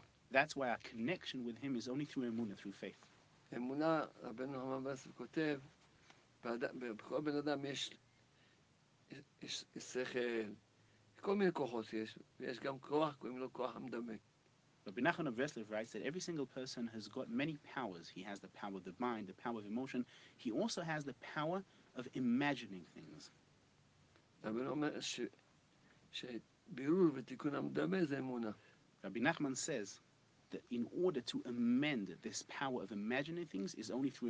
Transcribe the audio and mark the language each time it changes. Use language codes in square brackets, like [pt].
[en] That's why our connection with Him is only through Emuna, through faith. [he] אמונה, רבנו אמר בעצם כותב, בכל בן אדם יש שכל, כל מיני כוחות יש, ויש גם כוח, קוראים לו כוח המדמה. [en] But Benachon of Breslov writes that every single person has got many powers. He has the power of the mind, the power of emotion. He also has the power of imagining things. [he] רבנו אומר שבירור ותיקון המדמה זה אמונה. [en] רבי נחמן says, that in order to amend this power of imagining things is only through